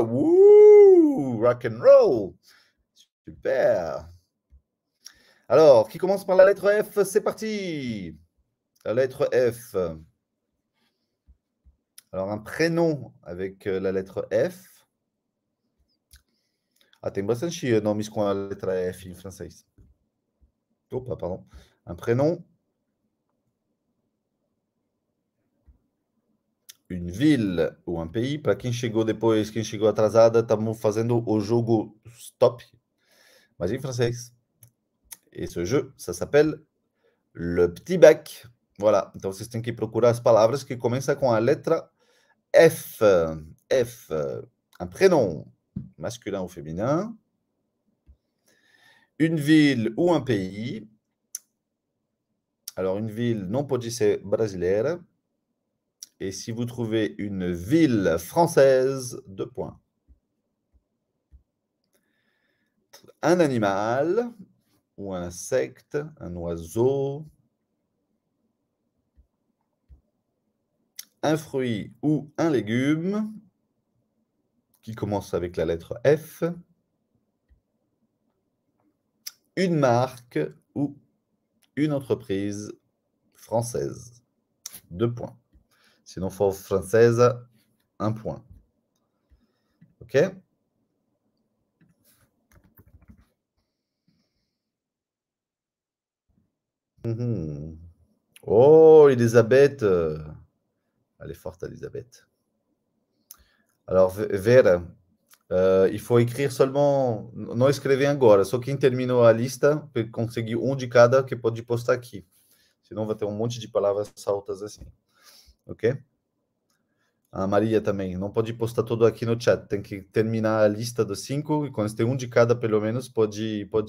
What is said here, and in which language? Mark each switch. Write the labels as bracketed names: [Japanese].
[French] Wouh, rock and roll. Super. Alors, qui commence par la lettre F? C'est parti. La lettre F. Alors, un prénom avec la lettre F. [Portuguese] Ah, tem bastante nomes com a letra F em francês. Opa, [French] pardon. Un prénom. Une ville ou un pays. [Portuguese] Para quem chegou depois, quem chegou atrasada, estamos fazendo o jogo stop. Mas em francês. [French] Et ce jeu, ça s'appelle Le Petit Bac. Voilà. [Portuguese] Então, vocês têm que procurar as palavras que começam com a letra F, F, [French] un prénom masculin ou féminin, une ville ou un pays. Alors, une ville, non, [Portuguese] pode ser brasileira. [French] Et si vous trouvez une ville française, 2 points. Un animal ou un insecte, un oiseau. Un fruit ou un légume qui commence avec la lettre F. Une marque ou une entreprise française. 2 points. Sinon, faut française, 1 point. OK? Oh, Elisabeth! Elle est forte, Elisabeth. Alors, Vera, il faut écrire seulement, non, écrivez agora. [Portuguese] Só quem terminou a lista, pour conseguir um de cada, que pode postar aqui. Sinon, vai ter monte de palavras soltas assim. Ok? A Maria também, não pode postar tudo aqui no chat. Tem que terminar a lista dos 5. E quando tem um de cada, pelo menos, pode.